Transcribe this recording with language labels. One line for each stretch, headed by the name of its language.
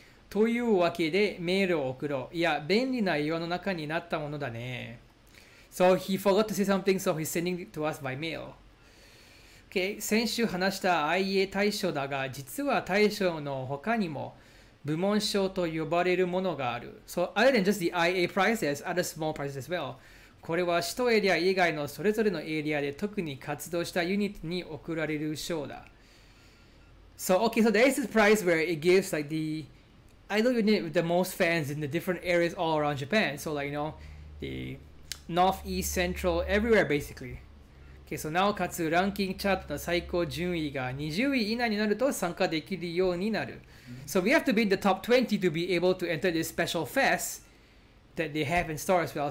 Japanese: というわけでメールを送ろう。いや、便利な世の中になったものだね。
English: So he forgot to say something, so he's sending it to us by mail.
Japanese: Okay, 先週話した IA 大賞だが、実は大賞の他にも部門賞と呼ばれるものがある。
English: So other than just the IA prizes, other small prizes as well.
Japanese: これは首都エリア以外のそれぞれのエリアで特に活動したユニットに贈られる賞だ。
English: So, okay, so there is this prize where it gives like the idol unit with the most fans in the different areas all around Japan. So like, you know, the North, East, Central, everywhere basically.
Japanese: Okay, so なおかつランキングチャートの最高順位が20位以内になると参加できるようになる。
English: So we have to be in the top 20 to be able to enter this special fest that they have in store as well.